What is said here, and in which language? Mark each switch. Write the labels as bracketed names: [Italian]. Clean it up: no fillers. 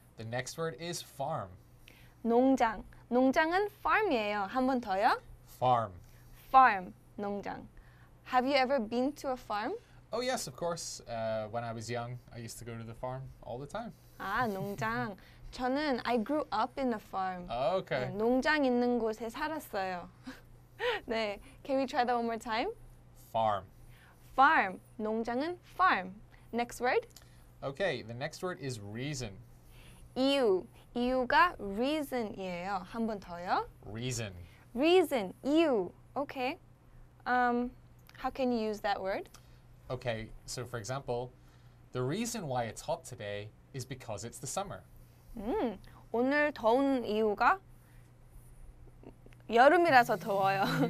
[English] The next word is farm. [Korean] 농장. 농장은 farm이에요. 한 번 더요. [English] Farm. Farm, 농장. Have you ever been to a farm? Oh, yes, of course. When I was young, I used to go to the farm all the time. [Korean] 아, 농장. 저는 [English] I grew up in a farm. Oh, okay. 네, [Korean] 농장 있는 곳에 살았어요. [English] 네, can we try that one more time? Farm. Farm. 농장은 farm. Next word? Okay, the next word is reason. [Korean] 이유. 이유가 reason이에요. 한 번 더요. [English] Reason. Reason. 이유. Okay. How can you use that word? Okay, so for example, the reason why it's hot today is because it's the summer. [Korean] 오늘 더운 이유가 여름이라서 더워요.